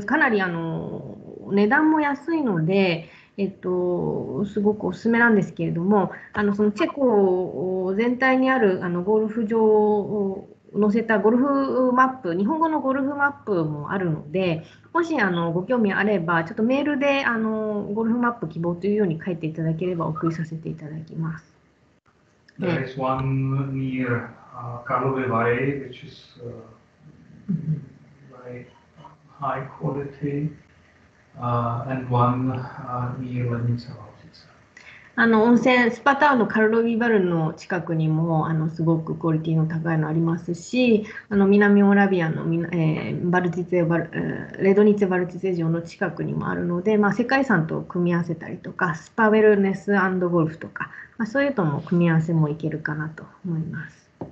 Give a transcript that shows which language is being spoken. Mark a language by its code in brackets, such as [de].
[ja] かなり値段も安いので、すごくおすすめなんですけれども、そのチェコ全体にあるゴルフ場を載せたゴルフマップ、日本語のゴルフマップもあるので、もしご興味あれば、ちょっとメールでゴルフマップ希望というように書いていただければお送りさせていただきます。 [en] There is one near Karlovy Vary, which is very high quality, and one near Lenica. [ja] 温泉スパタワーのカルロビバルの近くにもすごくクオリティの高いのありますし、南オラビアのバルチツェバル、レドニツェバルチツェ城の近くにもあるので、世界遺産と組み合わせたりとか、スパウェルネス&ゴルフとか、そういうとも組み合わせもいけるかなと思います。